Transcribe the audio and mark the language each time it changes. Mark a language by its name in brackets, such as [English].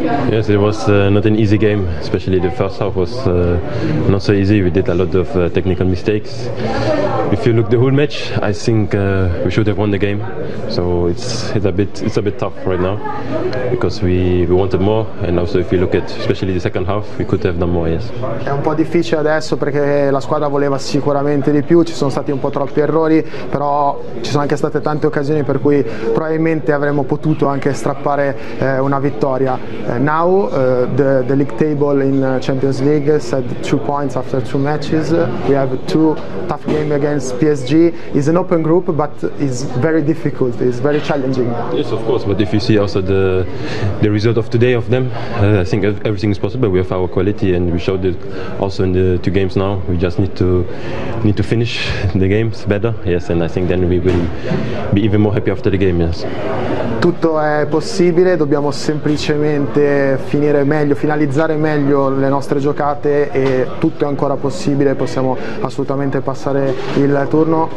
[English] Yes, it was not an easy game, especially the first half was not so easy. We did a lot of technical mistakes. If you look the whole match, I think we should have won the game. So it's a bit tough right now because we wanted more, and also if you look at especially the second half, we could have done more, yes. [Italian] È un po' difficile adesso perché la squadra voleva sicuramente di più, ci sono stati un po' troppi errori, però ci sono anche state tante occasioni per cui probabilmente avremmo potuto anche strappare una vittoria. [English] Now the league table in Champions League said 2 points after 2 matches. We have 2 tough games against PSG. It's an open group, but it's very difficult. It's very challenging. Yes, of course. But if you see also the result of today of them, I think everything is possible. We have our quality, and we showed it also in the 2 games now. We just need to finish the games better. Yes, and I think then we will be even more happy after the game. Yes. [Italian] Tutto è possibile, dobbiamo semplicemente finire meglio, finalizzare meglio le nostre giocate e tutto è ancora possibile, possiamo assolutamente passare il turno.